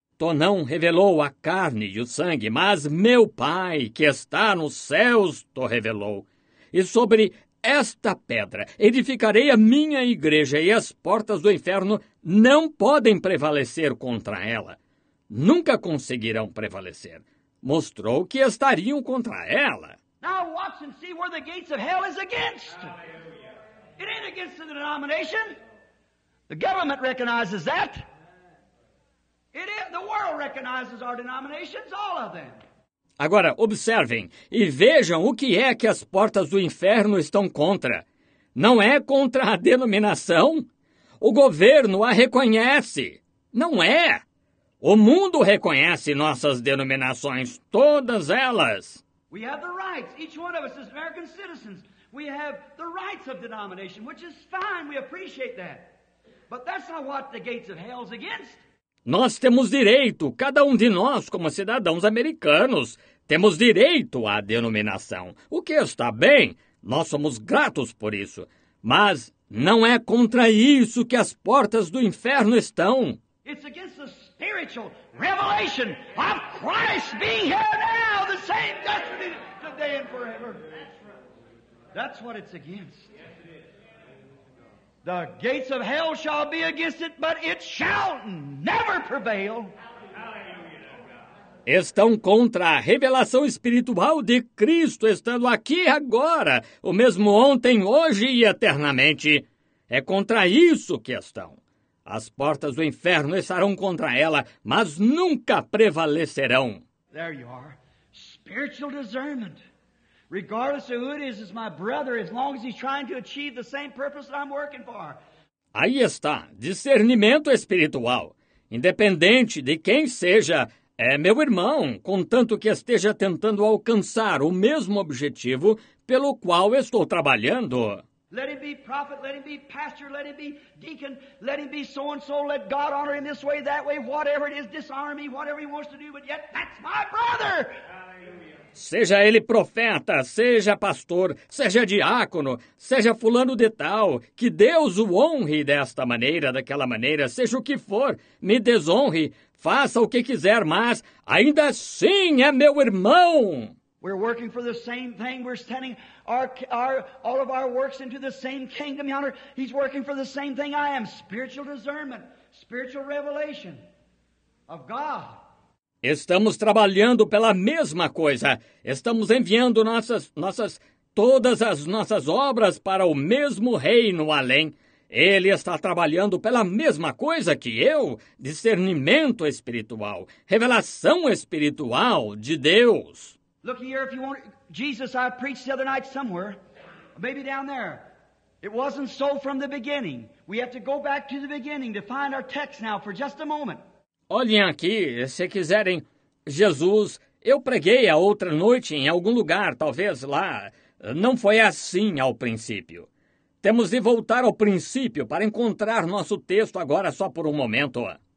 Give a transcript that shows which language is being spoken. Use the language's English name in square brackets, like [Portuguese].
[Portuguese] Tonão revelou a carne e o sangue, mas meu Pai, que está nos céus, to revelou. E sobre esta pedra edificarei a minha igreja, e as portas do inferno não podem prevalecer contra ela. Nunca conseguirão prevalecer. Mostrou que estariam contra ela. [English] Now watch and see where the gates of hell is against. It ain't against the denomination. The government recognizes that. It is, the world recognizes our denominations, all of them. [Portuguese] Agora, observem e vejam o que é que as portas do inferno estão contra. Não é contra a denominação? O governo a reconhece. Não é. O mundo reconhece nossas denominações, todas elas. [English] We have the rights. Each one of us is American citizens. We have the rights of denomination, which is fine. We appreciate that. But that's not what the gates of hell is against. [Portuguese] Nós temos direito, cada um de nós, como cidadãos americanos, temos direito à denominação, o que está bem, nós somos gratos por isso, mas não é contra isso que as portas do inferno estão. [English] It's against the spiritual revelation of Christ being here now, the same destiny today and forever. That's what it's against. The gates of hell shall be against it, but it shall never prevail. [Portuguese] Estão contra a revelação espiritual de Cristo estando aqui agora, o mesmo ontem, hoje e eternamente. É contra isso que estão. As portas do inferno estarão contra ela, mas nunca prevalecerão. [English] There you are. Spiritual discernment. Regardless of who it is my brother, as long as he's trying to achieve the same purpose that I'm working for. [Portuguese] Aí está, discernimento espiritual. Independente de quem seja, é meu irmão, contanto que esteja tentando alcançar o mesmo objetivo pelo qual estou trabalhando. [English] Let him be prophet, let him be pastor, let him be deacon, let him be so-and-so, let God honor him this way, that way, whatever it is, dishonor me, whatever he wants to do, but yet that's my brother! [Portuguese] Seja ele profeta, seja pastor, seja diácono, seja fulano de tal, que Deus o honre desta maneira, daquela maneira, seja o que for, me desonre, faça o que quiser, mas ainda assim é meu irmão. [English] We're working for the same thing, we're sending our all of our works into the same kingdom yonder. He's working for the same thing I am, spiritual discernment, spiritual revelation of God. [Portuguese] Estamos trabalhando pela mesma coisa. Estamos enviando todas as nossas obras para o mesmo reino além. Ele está trabalhando pela mesma coisa que eu, discernimento espiritual, revelação espiritual de Deus. [English] Look here, if you want Jesus, I preached the other night somewhere, maybe down there. It wasn't so from the beginning. We have to go back to the beginning to find our text now for just a moment. [Portuguese] Olhem aqui, se quiserem, Jesus, eu preguei a outra noite em algum lugar, talvez lá. Não foi assim ao princípio. Temos de voltar ao princípio para encontrar nosso texto agora só por um momento.